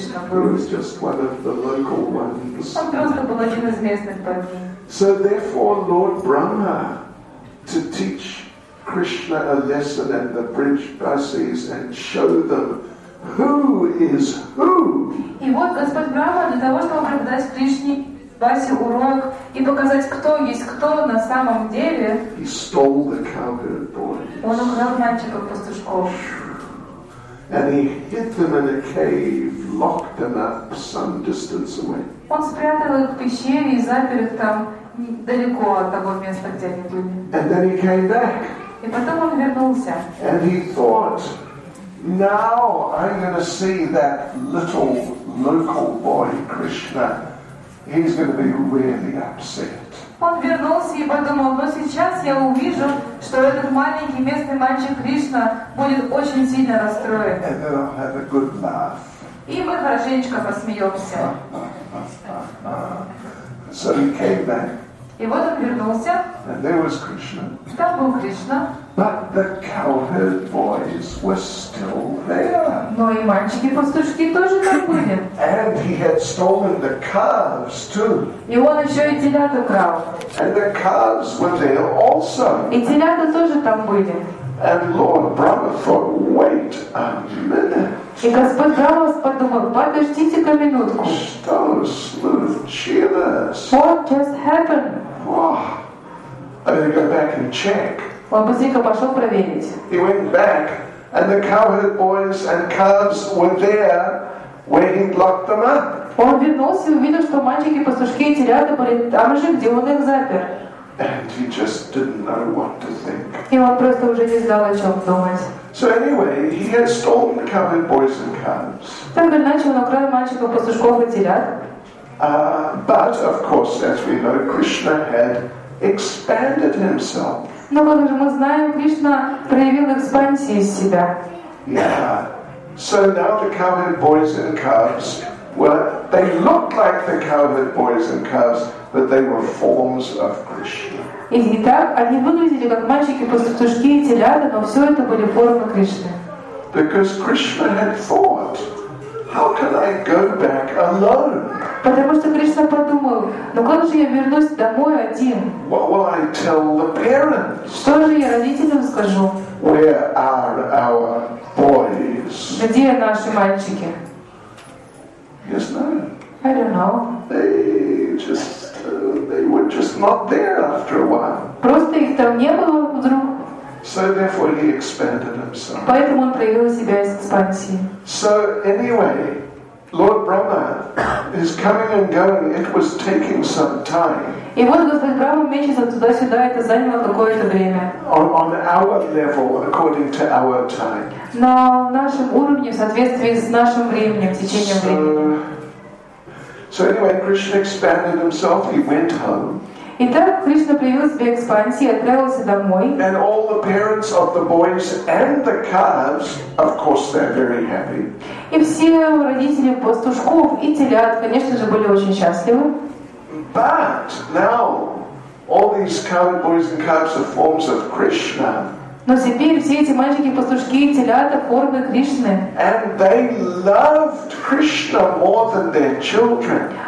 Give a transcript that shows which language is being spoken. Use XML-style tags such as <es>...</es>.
<en>He was just one of the local ones.</en> <ru>Он просто был один из местных парней.</ru> <en>So therefore, Lord Brahma, to teach Krishna a lesson and the Brijbasis and show them who is who.</en> <ru>И вот Господь Брахма для того, чтобы преподать Кришне Васе урок и показать, кто есть кто на самом деле.</ru> <en>He stole the cowherd boys.</en> <ru>Он украл мальчиков-пастушков.</ru> <en>And he hid them in a cave, locked them up some distance away.</en> <ru>Он спрятал их в пещере и запер их там далеко от того места, где они были.</ru> <en>And then he came back.</en> <ru>И потом он вернулся.</ru> <en>And he thought, now I'm going to see that little local boy Krishna. He's going to be really upset.</en> <ru>Он вернулся и подумал, но сейчас я увижу, что этот маленький местный мальчик Кришна будет очень сильно расстроен.</ru> <en>And then I'll have a good laugh.</en> <ru>И мы хорошенечко посмеемся.</ru> <en>So he came back.</en> <ru>И вот он вернулся.</ru> <en>And there was Krishna.</en> <ru>Там был Кришна.</ru> <en>But the cowherd boys were still there.</en> <ru>Но и мальчики-пастушки тоже там были.</ru> <en>And he had stolen the calves too.</en> <ru>И он еще и телят украл.</ru> <en>And the calves were there also.</en> <ru>И телята тоже там были.</ru> <en>And Lord Brahma thought, wait a minute.</en> <ru>И Господь Брахма подумал, подождите-ка минутку.</ru> <en>So smooth, cheerless. What just happened? Oh, I'm going to go back and check.</en> <ru>Он быстренько пошел проверить.</ru> <en>He went back, and the cowherd boys and calves were there where he locked them up.</en> <ru>Он вернулся и увидел, что мальчики, пастушки и телята были там же, где он их запер.</ru> <en>And he just didn't know what to think.</en> <ru>И он просто уже не знал, о чем думать.</ru> <en>So anyway, he had stolen the cowherd boys and calves.</en> <ru>Так или иначе, он украл мальчиков, пастушков и телят.</ru> <en>But of course, as we know, Krishna had expanded himself.</en> <ru>Но, как же мы знаем, Кришна проявил экспансию из себя.</ru> <en>Yeah. So now the cowherd boys and calves, well, they looked like the cowherd boys and calves, but they were forms of Krishna.</en> <ru>И так, они выглядели как мальчики, пастушки и телята, но все это были формы Кришны.</ru> <en>Because Krishna had thought, how can I go back alone?</en> <ru>Потому что Кришна подумал, ну как же я вернусь домой один?</ru> <en>What will I tell the parents?</en> <ru>Что же я родителям скажу?</ru> <en>Where are our boys?</en> <ru>Где наши мальчики?</ru> <en>Yes, no. I don't know. They were just not there after a while.</en> <ru>Просто их там не было вдруг.</ru> <en>So therefore he expanded himself.</en> <ru>Поэтому он проявил себя из экспансии.</ru> <en>So anyway, Lord Brahma is coming and going. It was taking some time.</en> <ru>И вот Господь Брахма мечется туда-сюда. Это заняло какое-то время.</ru> <en>On our level, according to our time.</en> <ru>На нашем уровне, в соответствии с нашим временем, в течение времени.</ru> <en>So anyway, Krishna expanded himself. He went home.</en> <ru>Итак, Кришна проявил себе экспансию и отправился домой.</ru> <en>And all the parents of the boys and the calves, of course, they're very happy.</en> <ru>И все родители пастушков и телят, конечно же, были очень счастливы.</ru> <en>But now all these cowherd boys and calves are forms of Krishna.</en> <ru>Но теперь все эти мальчики пастушки и телята формы Кришны.</ru> <en>And they loved Krishna more than their children.</en>